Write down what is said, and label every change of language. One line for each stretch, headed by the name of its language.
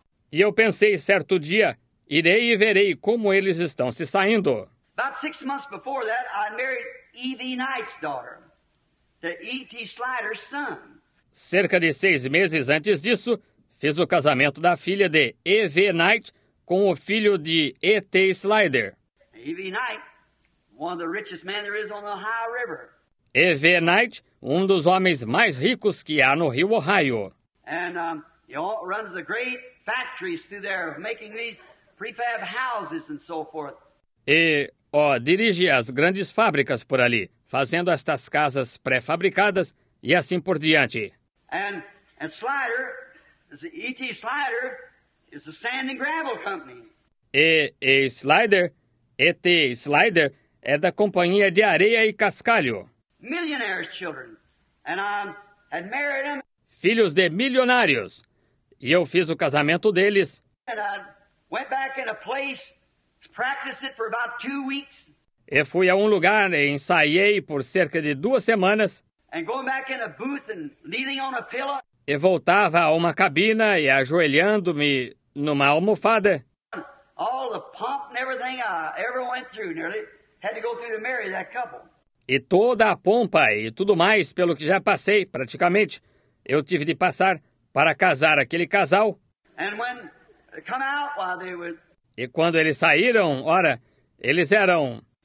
Portuguese: E eu pensei, certo dia, irei e verei como eles estão se saindo.
English: About 6 months before that, I married E.V. Knight's daughter, the E.T. Slider's son.
Portuguese: Cerca de 6 meses antes disso, fiz o casamento da filha de E.V. Knight com o filho de E.T. Slider.
English: E.V. Knight, one of the richest men there is on the Ohio River.
Portuguese: E.V. Knight, um dos homens mais ricos que há no Rio Ohio.
English: And he runs the great factories through there, making these prefab houses and so forth.
Portuguese: E, ó, dirige as grandes fábricas por ali, fazendo estas casas pré-fabricadas e assim por diante.
English: And Slider, E.T. Slider, is a sand and gravel company.
Portuguese: E Slider, E.T. Slider, é da companhia de areia e cascalho.
English: Millionaire's children. And I had married them.
Portuguese: Filhos de milionários. E eu fiz o casamento deles.
English: And I went back in a place. Practice it for about 2 weeks.
Portuguese: E fui a um lugar e ensaiei por cerca de 2 semanas.
English: And going back in a booth and kneeling on a pillow.
Portuguese: E voltava a uma cabina e ajoelhando-me numa almofada.
English: All the pomp and everything I ever went through nearly had to go through to marry that couple.
Portuguese: E toda a pompa e tudo mais pelo que já passei, praticamente, eu tive de passar para casar aquele casal.
English: And when they come out while they were...
Portuguese: E quando eles saíram, ora, eles eram...